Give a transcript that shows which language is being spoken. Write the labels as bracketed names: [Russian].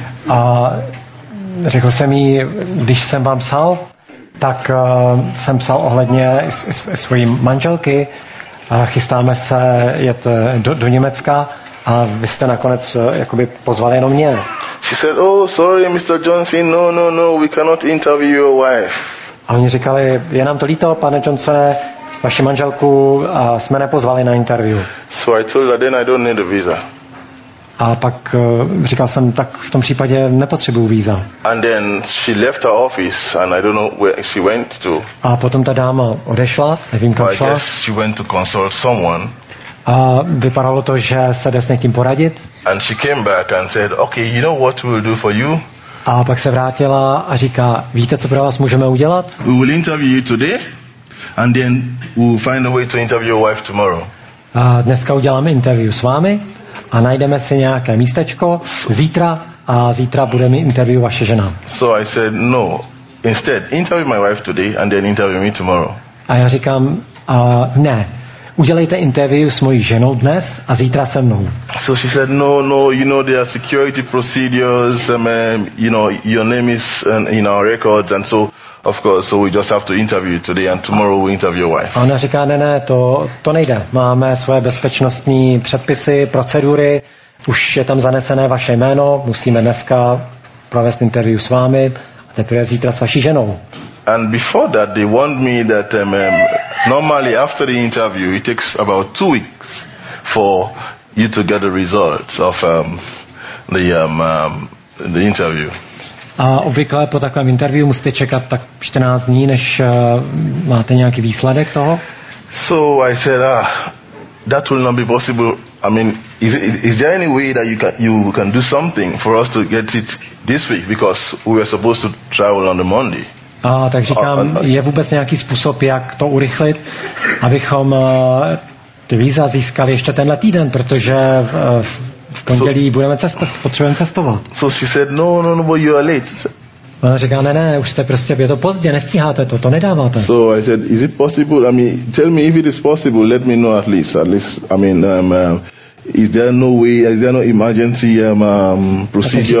[Czech] A řekl jsem jí, když jsem vám psal, tak jsem psal ohledně svojí manželky. Chystáme se jet do Německa a vy jste nakonec jakoby pozvali jenom mě. [English] She said, oh, sorry, Mr. Johnson, no, we cannot interview your wife. [Czech] A oni říkali, je nám to líto, pane Johnson, vaši manželku jsme nepozvali na interview. [English] So I told her, then I don't need a visa. [Czech] A pak říkal jsem, tak v tom případě nepotřebuju víza. [English] And then she left her office and I don't know where she went to. [Czech] A potom ta dáma odešla, nevím kam šla. [English] I guess she went to consult someone. [Czech] A vypadalo to, že se jde s někým poradit. [English] And she came back and said, okay, you know what we'll do for you? [Czech] A pak se vrátila a říká, víte, co pro vás můžeme udělat? [English] We will interview you today and then we'll find a way to interview your wife tomorrow. [Czech] A dneska uděláme interview s vámi. A najdeme si nějaké místečko zítra a zítra bude mi interview vaše žena. [English] So I said no. Instead, interview my wife today and then interview me tomorrow. [Czech] A já říkám, ne. Udělejte interview s mojí ženou dnes a zítra se mnou. [English] So she said no, you know there are security procedures, you know your name is in our records and so of course, so we just have to interview today and tomorrow we interview your wife. [Czech] A ona říká, ne, to nejde. Máme svoje bezpečnostní předpisy, procedury, už je tam zanesené vaše jméno, musíme dneska provést interview s vámi a teprve zítra s vaší ženou. [English] And before that, they warned me that normally after the interview, it takes about 2 weeks for you to get the results of the interview. [Czech] A obvykle po takovém interview musíte čekat tak 14 dní, než máte nějaký výsledek toho. [English] So I said, that will not be possible. I mean, is there any way that you can do something for us to get it this week? Because we were supposed to travel on the Monday. [Czech] A tak říkám, je vůbec nějaký způsob, jak to urychlit, abychom ty víza získali ještě tenhle týden, protože v pondělí potřebujeme cestovat. [English] So she said, no, but you are late. [Czech] Ona říká, ne, už jste prostě, je to pozdě, nestíháte to nedáváte. [English] So I said, is it possible? I mean, tell me if it is possible, let me know at least. I mean, is there no way, is there no emergency procedure